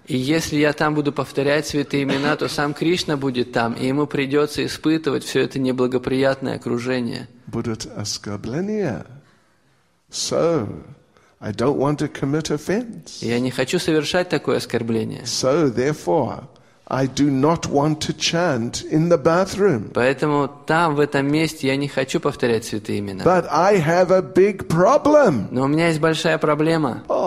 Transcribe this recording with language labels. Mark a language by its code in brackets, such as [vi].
[ru] И если я там буду повторять святые имена, то сам Кришна будет там, и ему придется испытывать все это неблагоприятное окружение. Будет оскорбление. [en] So, I don't want to commit offense. [ru] Я не хочу совершать такое оскорбление. [en] So, therefore, I do not want to chant in the bathroom. [ru] Поэтому там, в этом месте, я не хочу повторять святые имена. [en] But I have a big problem. [ru] Но у меня есть большая проблема.